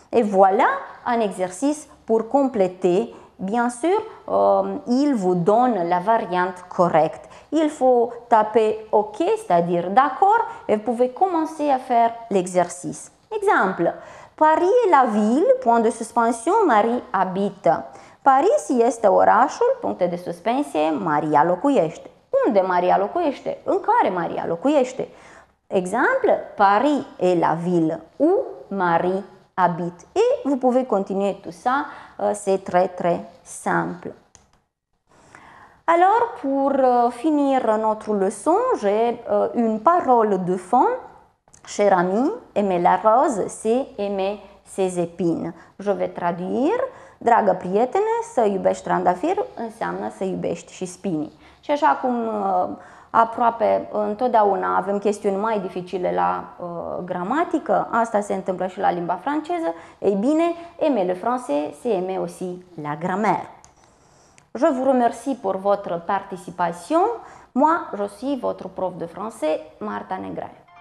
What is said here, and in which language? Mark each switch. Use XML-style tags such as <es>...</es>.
<fr>Et voilà un exercice pour compléter. Bien sûr, il vous donne la variante correcte. Il faut taper OK, c'est-à-dire d'accord, et vous pouvez commencer à faire l'exercice. Exemple. Paris est la ville, point de suspension, Marie habite.</fr> <ro>Paris este orașul, puncte de suspensie, Maria locuiește. Unde Maria locuiește? În care Maria locuiește?</ro> <fr>Exemple, Paris est la ville où Marie habite. Et vous pouvez continuer tout ça, c'est très très simple. Alors, pour finir notre leçon, j'ai une parole de fond. Cher ami, aimer la rose, c'est aimer ses épines. Je vais traduire.</fr> <ro>Dragă prietene, să iubești trandafirul înseamnă să iubești și spinii. Și așa cum aproape întotdeauna avem chestiuni mai dificile la gramatică, asta se întâmplă și la limba franceză, ei bine,</ro> <fr>aimer le français, c'est aimer aussi la grammaire. Je vous remercie pour votre participation. Moi, je suis votre prof de français, Marta Negrea.</fr>